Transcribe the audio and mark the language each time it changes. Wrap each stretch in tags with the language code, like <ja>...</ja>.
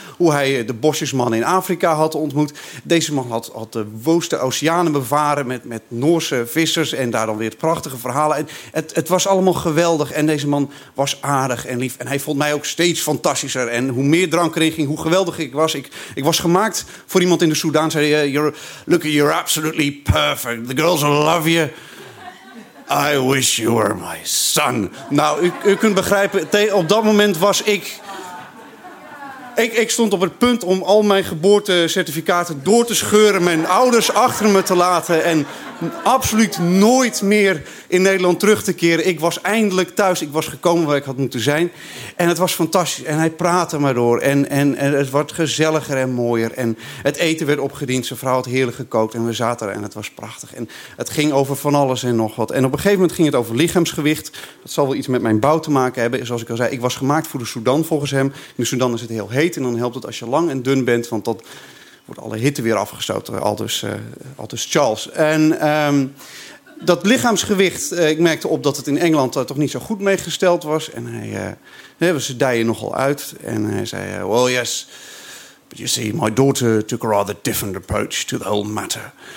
<nl>Hoe hij de bosjesman in Afrika had ontmoet. Deze man had de woeste oceanen bevaren met Noorse vissers. En daar dan weer prachtige verhalen. En het was allemaal geweldig. En deze man was aardig en lief. En hij vond mij ook steeds fantastischer. En hoe meer drank erin ging, hoe geweldig ik was. Ik was gemaakt voor iemand in de Soedan. Zei hij,</nl> <en>you're absolutely perfect. The girls will love you. I wish you were my son.</en> <nl>Nou, u kunt begrijpen, op dat moment was ik... Ik stond op het punt om al mijn geboortecertificaten door te scheuren, mijn ouders achter me te laten en absoluut nooit meer in Nederland terug te keren. Ik was eindelijk thuis. Ik was gekomen waar ik had moeten zijn. En het was fantastisch. En hij praatte maar door. En het werd gezelliger en mooier. En het eten werd opgediend. Zijn vrouw had heerlijk gekookt. En we zaten er. En het was prachtig. En het ging over van alles en nog wat. En op een gegeven moment ging het over lichaamsgewicht. Dat zal wel iets met mijn bouw te maken hebben. Zoals ik al zei, ik was gemaakt voor de Soedan volgens hem. In de Soedan is het heel heet. En dan helpt het als je lang en dun bent. Want dat wordt alle hitte weer afgestoten. Aldus Charles. En... dat lichaamsgewicht, ik merkte op dat het in Engeland toch niet zo goed meegesteld was. En ze dijen nogal uit. En hij zei,</nl> <en>well yes, but you see, my daughter took a rather different approach to the whole matter.</en>